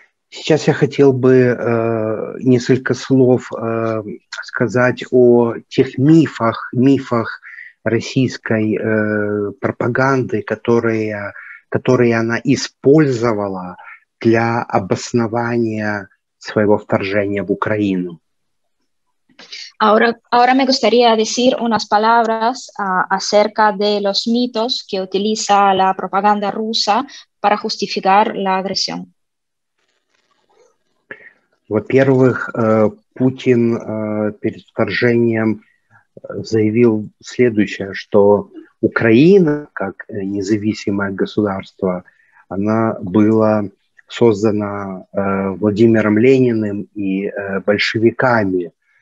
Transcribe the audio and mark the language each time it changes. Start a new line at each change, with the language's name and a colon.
Russian: Сейчас я хотел бы несколько слов сказать о тех мифах российской пропаганды, которые которые она использовала для обоснования своего вторжения в Украину.
Spanish: Ahora, ahora me gustaría decir unas palabras acerca de los mitos que utiliza la propaganda rusa para justificar la agresión.
Russian: Во-первых, Путин перед вторжением заявил следующее, что Украина, как независимое государство, она была создана Владимиром Лениным и большевиками.